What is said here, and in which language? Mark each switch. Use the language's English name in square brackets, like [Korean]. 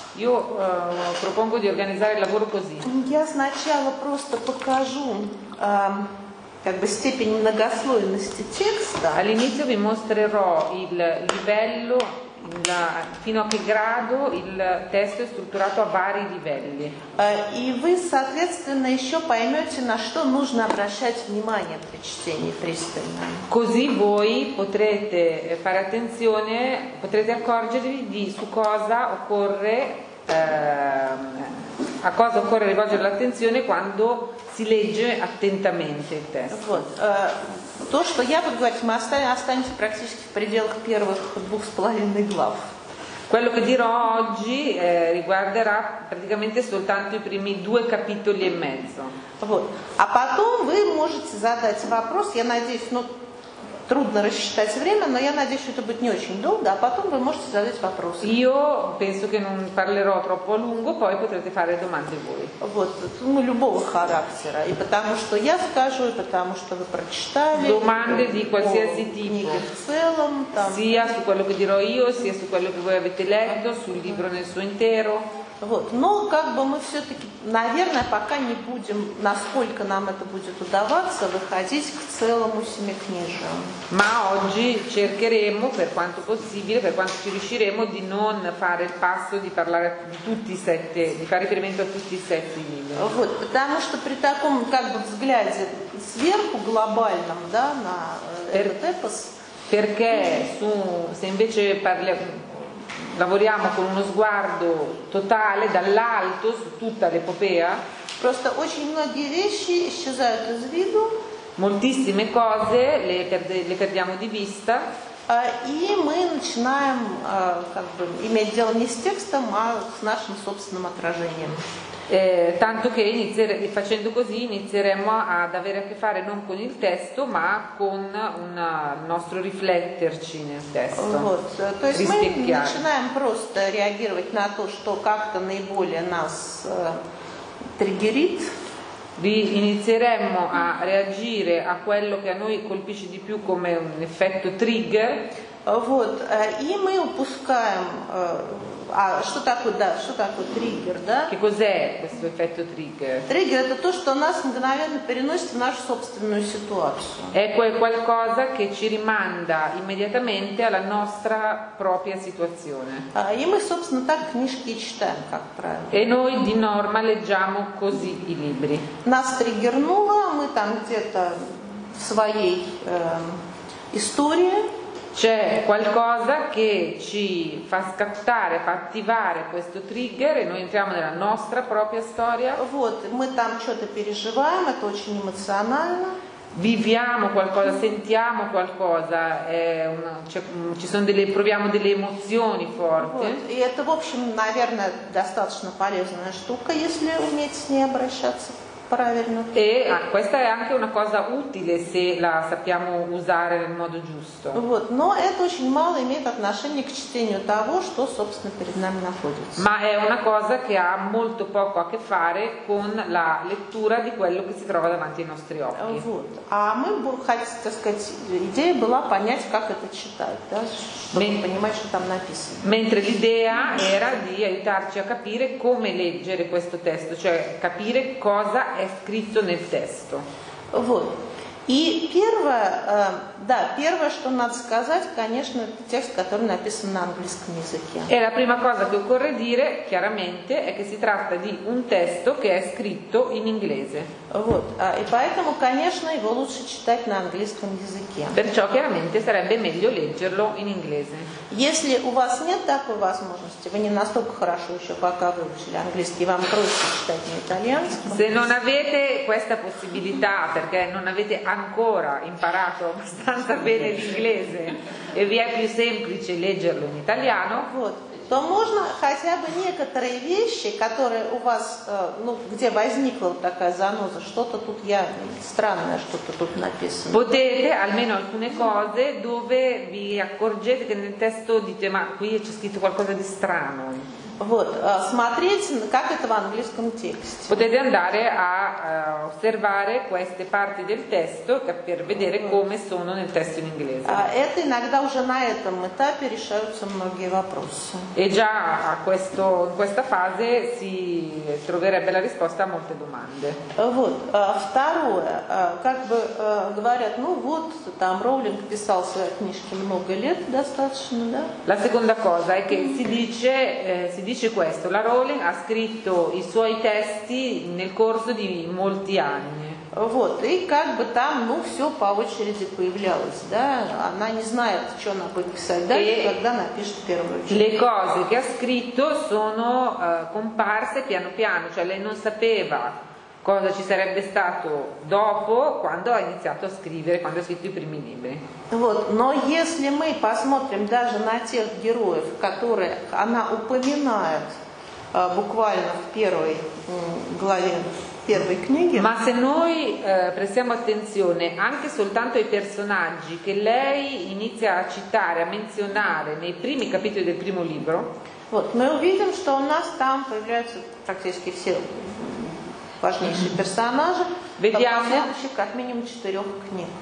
[Italian] Io propongo di organizzare il lavoro così. [Russian] Я сначала просто покажу как бы степень многослойности текста. [Italian] All'inizio vi mostrerò il livello, fino a che grado il testo è strutturato a vari livelli. [Russian] И вы, соответственно, еще поймете, на что нужно обращать внимание при чтении пристально. [Italian] Così voi potrete fare attenzione, potrete accorgervi di su cosa occorre a cosa occorre rivolgere l'attenzione quando si legge attentamente il testo. [Russian] То, что я буду говорить, мы останемся практически в пределах первых двух с половиной глав. [Italian] Quello che dirò oggi riguarderà praticamente soltanto i primi due capitoli e mezzo. [Russian] Вот. А потом вы можете задать вопрос, я надеюсь, ну, трудно рассчитать время, но я надеюсь, что это будет не очень долго, а потом вы можете задать вопросы. [Italian] Io penso che non parlerò troppo a lungo, poi potrete fare domande voi. [Russian] Вот, ну, любого характера, и потому что я скажу, и потому что вы прочитали. [Italian] Domande di qualsiasi tipo. [Russian] В целом, там. [Italian] Sia su quello che dirò io, sia su quello che voi avete letto, sul libro nel suo intero. [Russian] Вот. Но как бы мы все-таки, наверное, пока не будем, насколько нам это будет удаваться, выходить к целому семикнижию. [Italian] Ma oggi cercheremo, per quanto possibile, per quanto ci riusciremo, di non fare il passo di parlare di tutti i sette, di fare riferimento a tutti i sette libri. [Russian] Вот. Потому что при таком как бы взгляде сверху глобальном, да, на этот эпос. [Italian] Perché su, se invece parliamo. Lavoriamo con uno sguardo totale dall'alto su tutta l'epopea. [Russian] Просто очень многие вещи исчезают из виду. [Italian] Moltissime cose le perdiamo di vista. [Russian] И мы начинаем как бы иметь дело не с текстом, а с нашим собственным отражением. [Italian] Tanto che facendo così inizieremo ad avere a che fare non con il testo, ma con il nostro rifletterci nel testo. [Russian] Вот. То есть мы начинаем просто реагировать на то, что как-то наиболее нас триггерит. [Italian] Inizieremo a reagire a quello che a noi colpisce di più come un effetto trigger. [Russian] Вот. И мы упускаем. А что такое, да, что такое триггер, да? [Italian] Che cos'è questo effetto trigger? [Russian] Триггер это то, что нас мгновенно переносит в нашу собственную ситуацию. [Italian] Ecco, è qualcosa che ci rimanda immediatamente alla nostra propria situazione. [Russian] И мы, собственно, так книжки читаем, как правило. [Italian] E noi di norma leggiamo così i libri. [Russian] Нас триггернуло, мы там где-то в своей истории. [Italian] C'è qualcosa che ci fa scattare, fa attivare questo trigger e noi entriamo nella nostra propria storia. [Russian] Вот, мы там что-то переживаем, это очень эмоционально. [Italian] Viviamo qualcosa, sentiamo qualcosa, proviamo delle emozioni forti. [Russian] И это, в общем, наверное, достаточно полезная штука, если уметь с ней обращаться. [Italian] E questa è anche una cosa utile se la sappiamo usare nel modo giusto. [Russian] Вот, но это очень мало имеет отношение к чтению того, что собственно перед нами находится. [Italian] Ma è una cosa che ha molto poco a che fare con la lettura di quello che si trova davanti ai nostri occhi. [Russian] Вот. А мы хотели, так сказать, идея была понять, как это читать, да, чтобы понимать, что там написано. [Italian] Mentre l'idea era di aiutarci a capire come leggere questo testo, cioè capire cosa è scritto nel testo. [Russian] Вот. И первое, да, первое, что надо сказать, конечно, это текст, который написан на английском языке. [Italian] E la prima cosa che occorre dire, chiaramente, è che si tratta di un testo che è scritto in inglese. [Russian] Вот. И поэтому, конечно, его лучше читать на английском языке. [Italian] Perciò, chiaramente, sarebbe meglio leggerlo in inglese. [Russian] Если у вас нет такой возможности, вы не настолько хорошо еще пока выучили английский, вам проще читать на итальянском. [Italian] Se non avete questa possibilità, perché non avete ancora imparato abbastanza bene l'inglese e vi è più semplice leggerlo in italiano. [Russian] Вот. То можно хотя бы некоторые вещи, которые у вас, ну, где возникла такая заноза, что-то тут я странное, что-то тут написано. [Italian] Potete almeno alcune cose dove vi accorgete che nel testo dite ma qui c'è scritto qualcosa di strano. [Russian] Вот, смотреть, как это в английском тексте. [Italian] Potete andare a osservare queste parti del testo per vedere come sono nel testo in inglese. [Russian] Это иногда уже на этом этапе решаются многие вопросы. [Italian] E già a questo, in questa fase si troverebbe la risposta a molte domande. [Russian] Вот, второе, как бы говорят, ну вот, там Роулинг писал свои книжки много лет достаточно, да? [Italian] La seconda cosa è che si dice questo, la Rowling ha scritto i suoi testi nel corso di molti anni. [Russian] Вот, и как бы там, ну, все по очереди появлялось, да? Она не знает, что она будет писать дальше, e когда напишет первую очередь. [Italian] Le cose che ha scritto sono comparse piano piano, cioè lei non sapeva cosa ci sarebbe stato dopo, quando ha iniziato a scrivere, quando ha scritto i primi libri. [Russian] Вот, но если мы посмотрим даже на тех героев, которые она упоминает буквально в первой главе первой книги. [Italian] Ma se noi prestiamo attenzione anche soltanto ai personaggi che lei inizia a citare, a menzionare nei primi capitoli del primo libro. [Russian] Вот, мы увидим, что у нас там появляются практически все важнейшие персонажи. [Italian] Vediamo [Russian] как минимум четырех книг.